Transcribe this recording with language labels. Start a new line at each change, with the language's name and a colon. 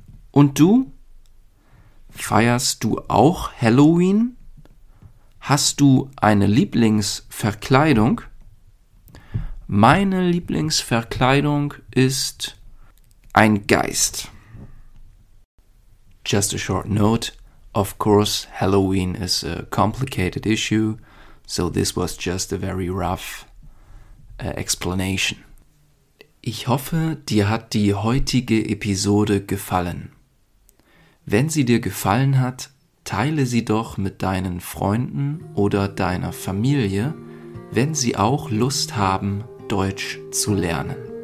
German: Und du? Feierst du auch Halloween? Hast du eine Lieblingsverkleidung? Meine Lieblingsverkleidung ist ein Geist.
English: Just a short note. Of course, Halloween is a complicated issue, so this was just a very rough explanation.
German: Ich hoffe, dir hat die heutige Episode gefallen. Wenn sie dir gefallen hat, teile sie doch mit deinen Freunden oder deiner Familie, wenn sie auch Lust haben, Deutsch zu lernen.